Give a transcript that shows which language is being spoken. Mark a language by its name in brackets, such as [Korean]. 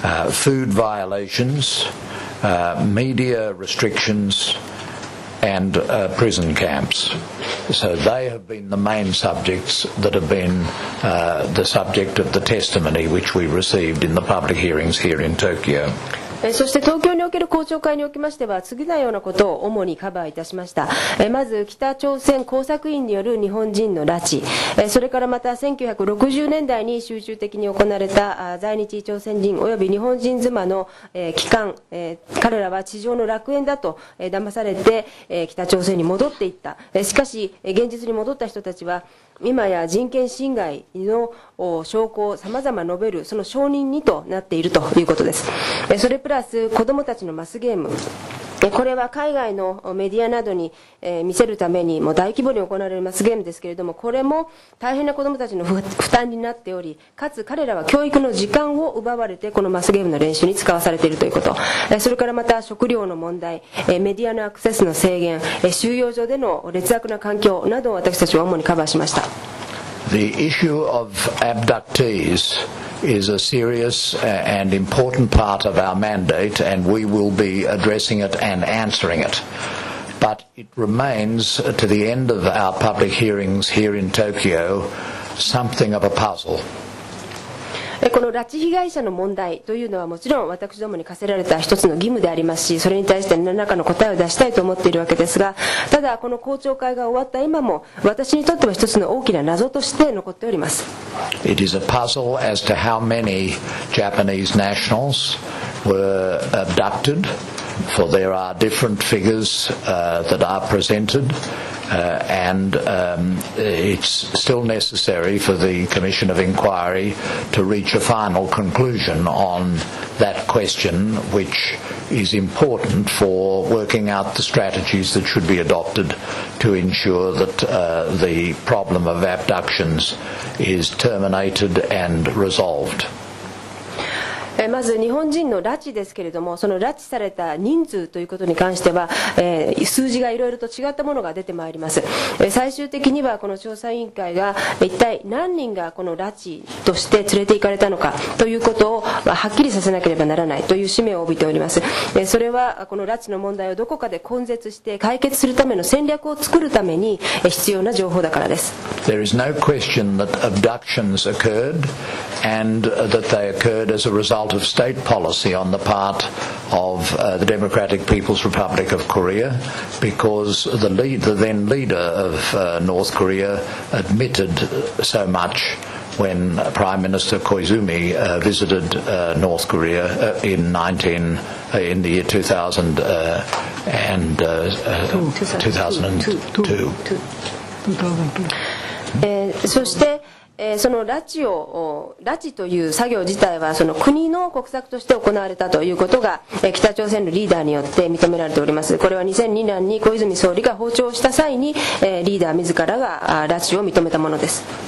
[English] Food violations, media restrictions, and prison camps. So they have been the main subjects that have been the subject of the testimony which we received in the public hearings here in Tokyo. [Japanese] そして東京における公聴会におきましては次のようなことを主にカバーいたしました。まず北朝鮮工作員による日本人の拉致、それからまた1960年代に集中的に行われた在日朝鮮人および日本人妻の帰還、彼らは地上の楽園だと騙されて北朝鮮に戻っていった。しかし現実に戻った人たちは今や人権侵害の証拠をさまざま述べるその証人にとなっているということです。それプラス子どもたちのマスゲーム、これは海外のメディアなどに見せるためにも大規模に行われるマスゲームですけれども、これも大変な子どもたちの負担になっており、かつ彼らは教育の時間を奪われてこのマスゲームの練習に使わされているということ、それからまた食料の問題、メディアのアクセスの制限、収容所での劣悪な環境などを私たちは主にカバーしました。 [English] The issue of abductees is a serious and important part of our mandate, and we will be addressing it and answering it. But it remains, to the end of our public hearings here in Tokyo, something of a puzzle. [Japanese] この拉致被害者の問題というのはもちろん私どもに課せられた一つの義務でありますし、それに対して何らかの答えを出したいと思っているわけですが、ただこの公聴会が終わった今も私にとっては一つの大きな謎として残っております。 [English] It is a puzzle as to how many Japanese nationals were abducted, for there are different figures that are presented. And it's still necessary for the Commission of Inquiry to reach a final conclusion on that question, which is important for working out the strategies that should be adopted to ensure that the problem of abductions is terminated and resolved. [Japanese] まず日本人の拉致ですけれども、その拉致された人数ということに関しては、数字がいろいろと違ったものが出てまいります。最終的にはこの調査委員会が一体何人がこの拉致として連れて行かれたのかということをはっきりさせなければならないという使命を帯びております。それはこの拉致の問題をどこかで根絶して解決するための戦略を作るために必要な情報だからです。 [English] There is no question that abductions occurred and that they occurred as a result of state policy on the part of the Democratic People's Republic of Korea because the then leader of North Korea admitted so much when Prime Minister Koizumi visited North Korea in the year 2002. [Japanese] その拉致という作業自体はその国の国策として行われたということが北朝鮮のリーダーによって認められております。これは2002年に小泉総理が訪朝した際にリーダー自らが拉致を認めたものです。